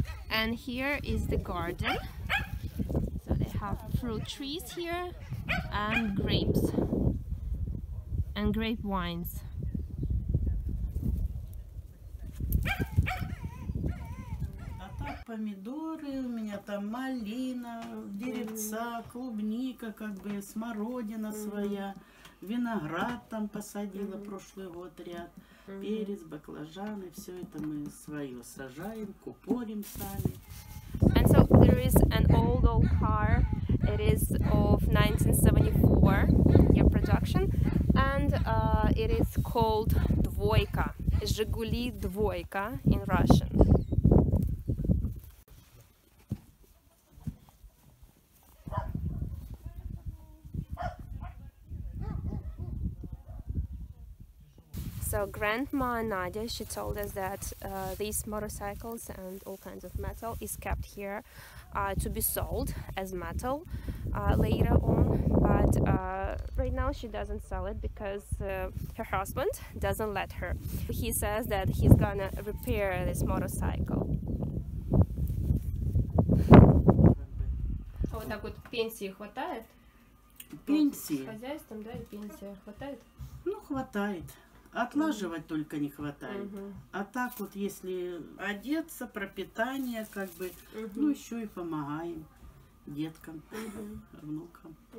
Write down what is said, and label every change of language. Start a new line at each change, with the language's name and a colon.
English: And here is the garden. So they have fruit trees here and grapes and grape vines.
Russian: А так помидоры у меня там, малина, деревца, клубника, как бы смородина своя, виноград там посадила прошлый год ряд. Перец, баклажаны, все это мы свое сажаем, купорим сами.
English: And so there is an old car. It is of 1974 year production, and it is called двойка. Жигули двойка in Russian. So Grandma Nadia, she told us that these motorcycles and all kinds of metal is kept here to be sold as metal later on. But right now she doesn't sell it because her husband doesn't let her. He says that he's gonna repair this motorcycle.
Russian: Вот так вот пенсии хватает? Пенсии. С хозяйством, да, и пенсия хватает? Ну, хватает. Отлаживать только не хватает. А так вот, если одеться, пропитание, как бы, ну еще и помогаем деткам, внукам.